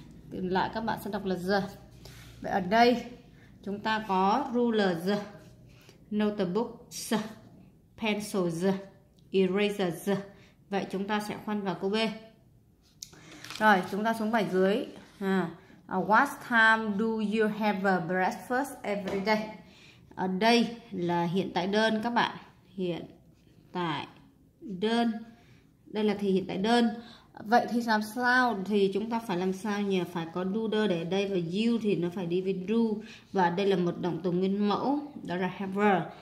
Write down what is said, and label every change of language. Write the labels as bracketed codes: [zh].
[vi] Lại các bạn sẽ đọc là giờ. Vậy ở đây chúng ta có ruler giờ, notebook giờ, pencil giờ, eraser giờ. Vậy chúng ta sẽ khoan vào câu B. Rồi chúng ta xuống bài dưới. [en] What time do you have a breakfast every day? [vi] Ở đây là hiện tại đơn các bạn. Hiện tại đơn. Đây là thì hiện tại đơn. Vậy thì làm sao? Thì chúng ta phải làm sao nhỉ? Phải có do đơ để ở đây, và you thì nó phải đi với do. Và đây là một động từ nguyên mẫu, đó là have.